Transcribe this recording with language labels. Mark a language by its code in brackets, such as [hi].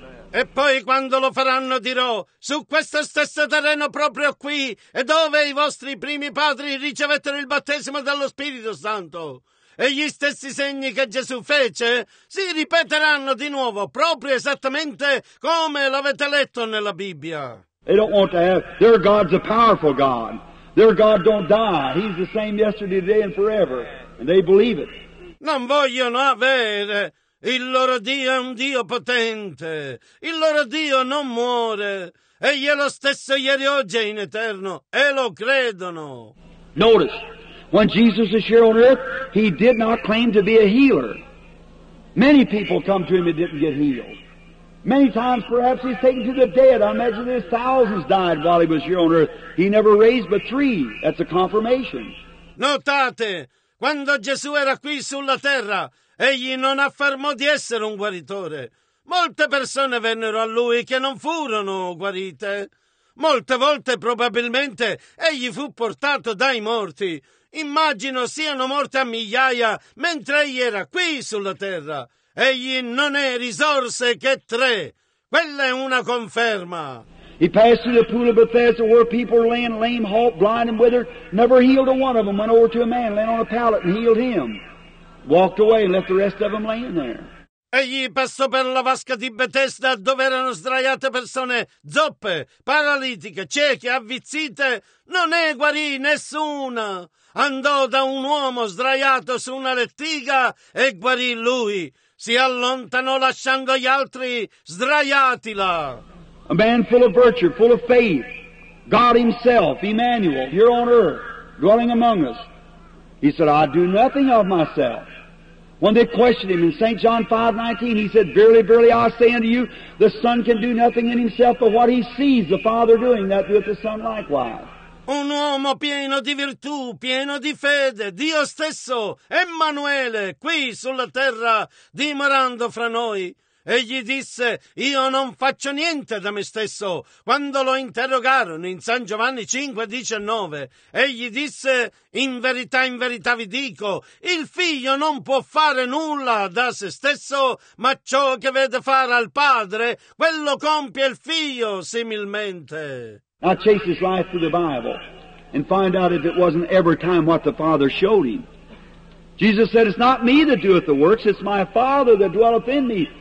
[it] E poi quando lo faranno dirò, su questo stesso terreno proprio qui, e dove i vostri primi padri ricevettero il battesimo dello Spirito Santo. E gli stessi segni che Gesù fece si ripeteranno di nuovo, proprio esattamente come l'avete letto nella Bibbia. [en] They don't want to have, their God's a powerful God. Their God don't die. He's the same yesterday, today and forever. And they believe it. [it] Non vogliono avere, il loro Dio è un Dio potente. Il loro Dio non muore. Egli è lo stesso ieri, oggi e in eterno. E lo credono. [en] Notice, when Jesus is here on earth, he did not claim to be a healer. Many people come to him and didn't get healed. Many times, perhaps, he's taken to the dead. I imagine there's thousands died while he was here on earth. He never raised but three. That's a confirmation. [it] Notate, quando Gesù era qui sulla terra, egli non affermò di essere un guaritore. Molte persone vennero a lui che non furono guarite. Molte volte, probabilmente, egli fu portato dai morti. Immagino siano morte a migliaia mentre egli era qui sulla terra. Egli non è risorse che tre. Quella è una conferma. [en] He passed through the pool of Bethesda where people were laying lame, halt, blind and withered. Never healed a one of them. Went over to a man, laying on a pallet and healed him. Walked away and left the rest of them laying there. [it] Egli passò per la vasca di Bethesda dove erano sdraiate persone zoppe, paralitiche, cieche, avvizzite. Non ne guarì nessuna. Andò da un uomo sdraiato su una lettiga e guarì lui. Si allontanò lasciando gli altri sdraiati là. [en] A man full of virtue, full of faith, God himself, Emmanuel, here on earth, dwelling among us. He said, I do nothing of myself. When they questioned him in St. John 5:19, he said, Verily, verily, I say unto you, the Son can do nothing in himself, but what he sees the Father doing, that doeth the Son likewise. [it] Un uomo pieno di virtù, pieno di fede, Dio stesso, Emmanuele, qui sulla terra, dimorando fra noi. Egli disse, io non faccio niente da me stesso. Quando lo interrogarono in San Giovanni 5:19, egli disse, in verità vi dico, il figlio non può fare nulla da se stesso, ma ciò che vede fare al padre, quello compie il figlio similmente. [en] Now chase his life through the Bible and find out if it wasn't every time what the Father showed him. Jesus said, it's not me that doeth the works, it's my Father that dwelleth in me.